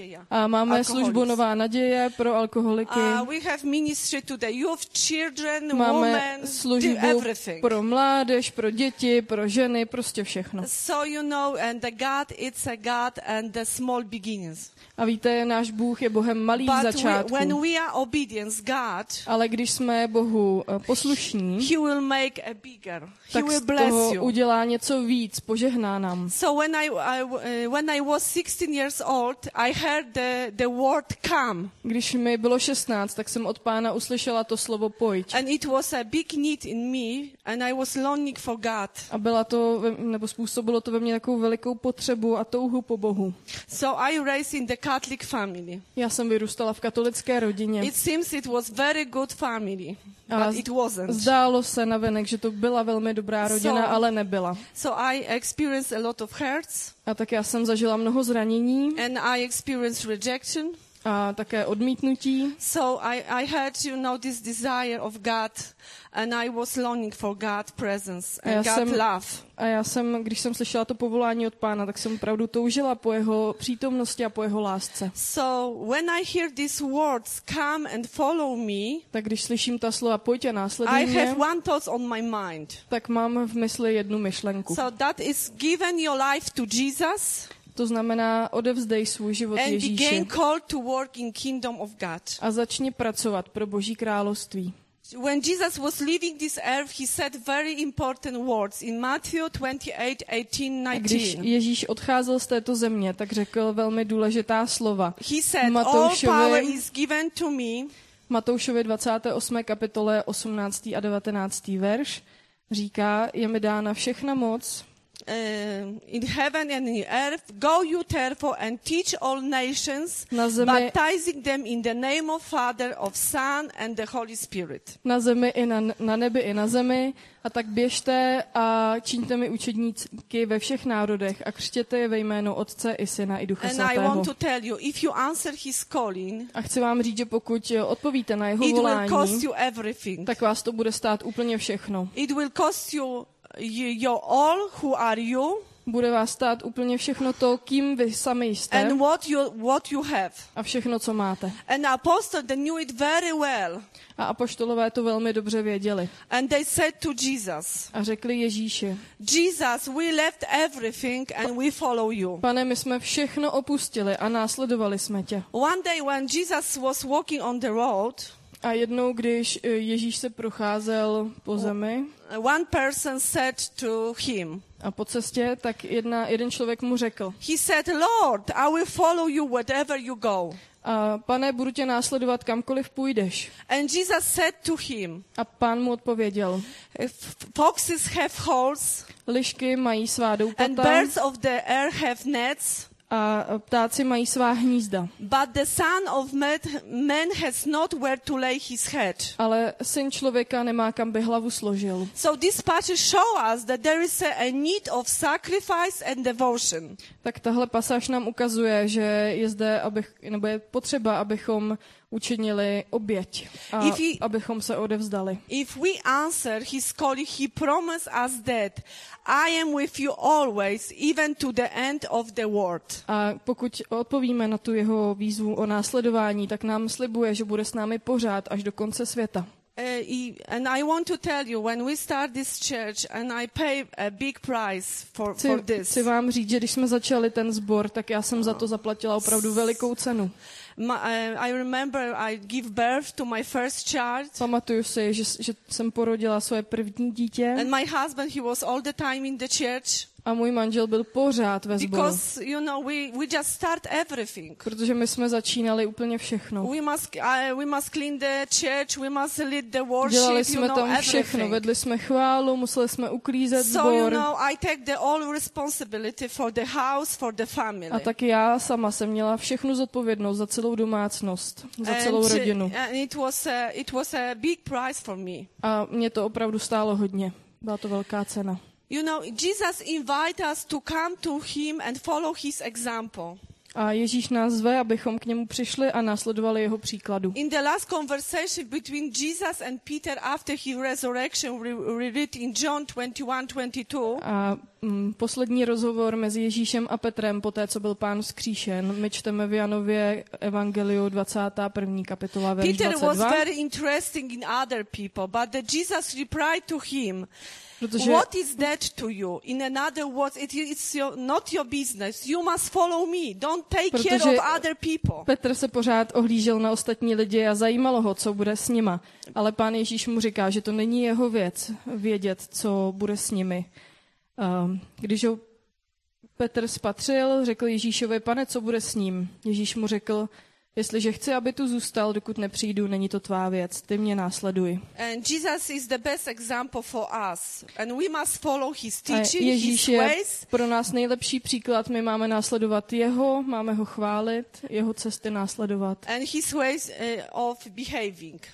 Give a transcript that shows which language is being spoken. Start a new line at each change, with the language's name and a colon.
Czech: A máme službu Nová naděje pro alkoholiky.
English: We have ministry to the youth, children,
Czech: máme
English: women,
Czech: službu
English: everything.
Czech: Pro mládež, pro děti, pro ženy, prostě všechno.
English: So you know, and the God, it's a God and the small beginnings.
Czech: A víte, náš Bůh je Bohem malých začátků.
English: When we are obedient God,
Czech: ale když jsme Bohu poslušní,
English: he will make a bigger.
Czech: Tak
English: he will
Czech: z toho
English: bless you.
Czech: Udělá něco víc, požehná nám.
English: So when I was 16 years old, I heard the word come.
Czech: Když mi bylo 16, tak jsem od pána uslyšela to slovo pojď.
English: And it was a big need in me and I was longing for God.
Czech: A byla to nebo způsobilo to ve mně takovou velikou potřebu a touhu po Bohu.
English: So I raised in the Catholic family.
Czech: Já jsem vyrůstala v katolické rodině.
English: It seems it was very good family, but it wasn't.
Czech: Zdálo se navenek, že to byla velmi dobrá rodina, ale nebyla.
English: So I experienced a lot of hurts.
Czech: A tak já jsem zažila mnoho zranění.
English: And I experienced rejection.
Czech: A také odmítnutí.
English: So I had, you know, this desire of God and I was longing for God's presence and God's love.
Czech: A já jsem, když jsem slyšela to povolání od pána, tak jsem opravdu toužila po jeho přítomnosti a po jeho lásce.
English: So when I hear these words, come and follow me.
Czech: Tak když slyším ta slova, pojď a následuj mě.
English: I have one thought on my mind.
Czech: Tak mám v mysli jednu myšlenku.
English: So that is given your life to Jesus.
Czech: To znamená, odevzdej svůj život
English: and
Czech: Ježíši.
English: Begin call to work in kingdom of God.
Czech: A začni pracovat pro Boží království.
English: When Jesus was leaving this earth, he said very important words in Matthew 28:18-19.
Czech: Když Ježíš odcházel z této země, tak řekl velmi důležitá slova.
English: He said, Matoušovi, all power is given to me.
Czech: Matoušovi 28. kapitole 18. a 19. verš říká, je mi dána všechna moc.
English: In heaven and in earth, go you therefore and teach all nations, baptizing them in the name of Father, of Son and the Holy Spirit.
Czech: Na zemi i na nebi i na zemi, a tak běžte a čiňte mi učedníky ve všech národech a křtěte je ve jménu Otce i Syna i Ducha
English: Svatého. And I want to tell you, if you answer his calling,
Czech: a chci vám říct, že pokud odpovíte na jeho volání,
English: it will cost you everything.
Czech: Tak vás to bude stát úplně všechno.
English: It will cost you you all who are you,
Czech: bude vás stát úplně všechno to, kým vy sami jste,
English: and what you have,
Czech: a všechno, co máte.
English: And apostles, they knew it very well,
Czech: a apoštolové to velmi dobře věděli,
English: and they said to Jesus,
Czech: a řekli Ježíši,
English: Jesus, we left everything and we follow you,
Czech: pane, my jsme všechno opustili a následovali jsme tě.
English: One day when Jesus was walking on the road,
Czech: a jednou, když Ježíš se procházel po zemi,
English: one person said to him,
Czech: a po cestě, tak jeden člověk mu řekl.
English: He said, Lord, I will follow you wherever you go.
Czech: A pane, budu tě následovat, kamkoliv půjdeš.
English: And Jesus said to him,
Czech: a pán mu odpověděl.
English: Foxes have holes,
Czech: lišky mají svá doupata,
English: and birds of the air have nets,
Czech: a ptáci mají svá hnízda.
English: But the son of man has not where to lay his head.
Czech: Ale syn člověka nemá kam by hlavu složil.
English: So this passage show us that there is a need of sacrifice and devotion.
Czech: Tak tahle pasáž nám ukazuje, že je zde, nebo je potřeba, abychom učinili oběť a abychom se odevzdali.
English: If we answer his calling, he promised us that I am with you always, even to the end of the world.
Czech: A pokud odpovíme na tu jeho výzvu o následování, tak nám slibuje, že bude s námi pořád až do konce světa.
English: And I want to tell you, when we start this church, and I pay a big price for this.
Czech: Chci vám říct, že když jsme začali ten sbor, tak já jsem za to zaplatila opravdu velikou cenu.
English: I remember I give birth to my first child.
Czech: Pamatuju si, že jsem porodila svoje první dítě.
English: And my husband, he was all the time in the church.
Czech: A můj manžel byl pořád ve sboru.
English: Because you know we just start everything.
Czech: Protože my jsme začínali úplně všechno.
English: We must clean the church, we must lead the worship.
Czech: Dělali jsme
English: you
Czech: tam
English: know,
Czech: všechno,
English: everything.
Czech: Vedli jsme chválu, museli jsme uklízet
English: so,
Czech: sbor.
English: So you know I take the all responsibility for the house, for the family.
Czech: A tak já sama jsem měla všechnu zodpovědnost za celou domácnost, za celou rodinu.
English: And it was a big price for me.
Czech: A mě to opravdu stálo hodně. Byla to velká cena.
English: You know, Jesus invites us to come to him and follow his example.
Czech: A Ježíš nás zve, abychom k němu přišli a následovali jeho příkladu.
English: In the last conversation between Jesus and Peter after his resurrection, we read in John 21:22.
Czech: Poslední rozhovor mezi Ježíšem a Petrem poté, co byl pán vzkříšen, my čteme v Janově evangeliu 21. kapitola verš 22.
English: Peter was very interesting in other people, but the Jesus replied to him.
Czech: Protože
English: what is that to you? In another words, it's not your business. You must follow me. Don't take care of other people.
Czech: Petr se pořád ohlížel na ostatní lidi a zajímalo ho, co bude s nima. Ale pán Ježíš mu říká, že to není jeho věc vědět, co bude s nimi. Když ho Petr spatřil, řekl Ježíšovi, pane, co bude s ním? Ježíš mu řekl, jestliže chci, aby tu zůstal, dokud nepřijdu, není to tvá věc, ty mě následuj.
English: And Jesus is the best example for us, and we must follow his teaching, his ways.
Czech: Ježíš je pro nás nejlepší příklad, my máme následovat jeho, máme ho chválit, jeho cesty následovat.
English: And his ways of behaving.